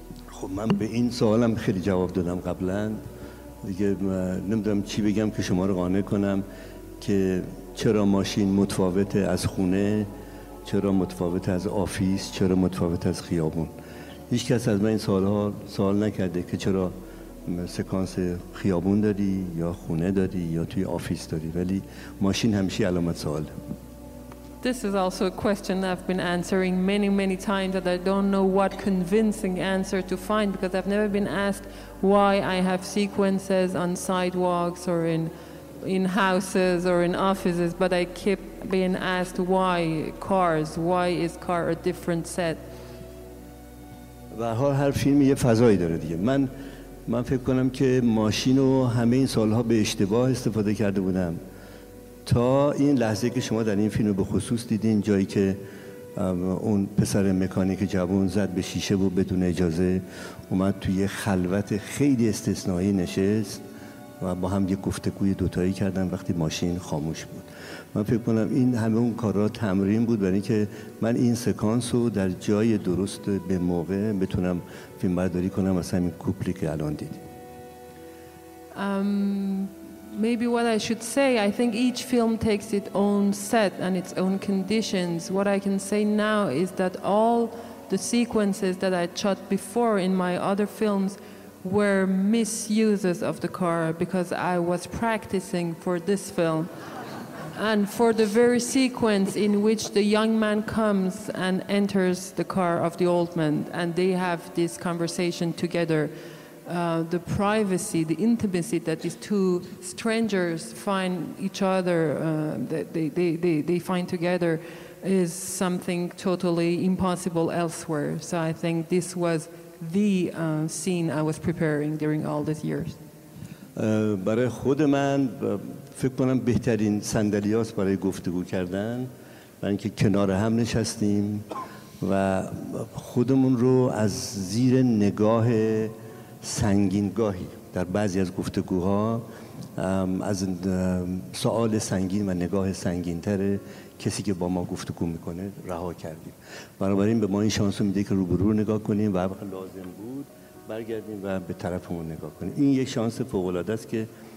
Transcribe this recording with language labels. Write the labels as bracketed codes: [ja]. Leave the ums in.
[fa] خب من به این سوالم خیلی جواب دادم قبلا دیگه م- نمیدونم چی بگم که شما رو قانع کنم که چرا ماشین متفاوته از خونه چرا متفاوت از آفیس چرا متفاوت از خیابون هیچ کس از من این سالها سوال نکرده که چرا م- سکانس خیابون داری یا خونه داری یا توی آفیس داری ولی ماشین همیشه علامت سواله [en] This is also a question I've been answering many, many times that I don't know what convincing answer to find because I've never been asked why I have sequences on sidewalks or in in houses or in offices, but I keep being asked why cars, why is car a different set? [fa] و هر حال هر فیلم یه فضایی داره دیگه من من فکر کنم که ماشین رو همه این سالها به اشتباه استفاده کرده بودم تا این لحظه که شما در این فیلم رو به خصوص دیدین جایی که ام، اون پسر مکانیک جوان زد به شیشه و بدون اجازه اومد توی یه خلوت خیلی استثنایی نشست و با هم یه گفتگوی دوتایی کردن وقتی ماشین خاموش بود من فکر کنم این همه اون کارا تمرین بود برای اینکه من این سکانس رو در جای درست به موقع بتونم فیلم برداری کنم از همین کوپلی که الان دیدیم [en] Um, maybe what I should say, I think each film takes its own set and its own conditions. What I can say now is that all the sequences that I shot before in my other films were misuses of the car because I was practicing for this film. And for the very sequence in which the young man comes and enters the car of the old man, and they have this conversation together, uh, the privacy, the intimacy that these two strangers find each other, uh, that they, they, they, they find together, is something totally impossible elsewhere. So I think this was the uh, scene I was preparing during all these years. [fa] اه، برای خود من اه، فکر کنم بهترین صندلی هاست برای گفتگو کردن برای اینکه کنار هم نشستیم و خودمون رو از زیر نگاه سنگینگاهی در بعضی از گفتگوها ام، از ام، سوال سنگین و نگاه سنگینتر کسی که با ما گفتگو میکنه رها کردیم بنابراین به ما این شانس رو میده که روبرو رو نگاه کنیم و هر وقت لازم بود برگردیم و به طرفمون نگاه کنیم این یک شانس فوق العاده است که